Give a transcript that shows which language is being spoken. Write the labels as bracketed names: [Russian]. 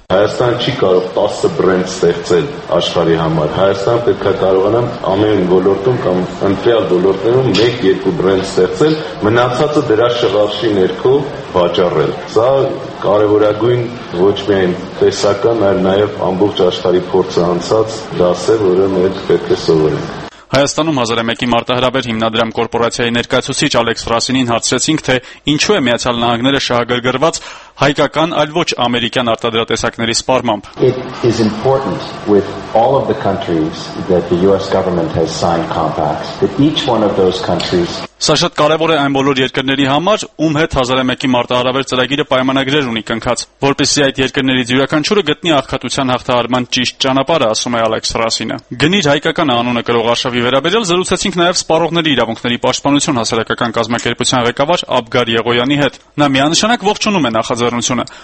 [Armenian] Հայաստան չի կարող 10 բրենդ ստեղծել աշխարհի համար։ Հայաստան պետք է կարողանա ամեն ոլորտում կամ ընտրյալ ոլորտներում 1-2 բրենդ ստեղծել, մնացածը դրա շղարշի ներքո վաճառել։ Սա կարևորագույն ոչ միայն տեսական, այլ նաև ամբողջ աշխարհի փորձը անցած դաս է, որը մենք պետք է սովորենք։ Հայաստանում հազարամյակի մարտահրավեր հիմնադրամ կորպորացիայի ներկայացուցիչ Ալեքս Ֆրասինին հարցրեցինք, թե ինչու է Միացյալ Նահանգները շահագրգռված հայկական, այլ ոչ ամերիկյան արտադրատեսակների սպառմամբ. [English] It is important with all of the countries that the US government has signed compacts that each one of those countries [Armenian] Սա շատ կարևոր է այն բոլոր երկրների համար, ում հետ 1001-ի մարտահրավեր ծրագիրը պայմանագրեր ունի կնքած, որպեսզի այդ երկրների յուրաքանչյուրը գտնի աղքատության հաղթահարման ճիշտ ճանապարհը, ասում է Ալեքս Ռասինը։ Գնիր հայկական անունը կրող արշավի վերաբերյալ զրուցեցինք նաև սպառողների իրավունքների պաշտպանության հասարակական կազմակերպության ղեկավար Աբգար Եղոյանի հետ։ Նա միանշանակ ողջունում է նախաձեռնությունը։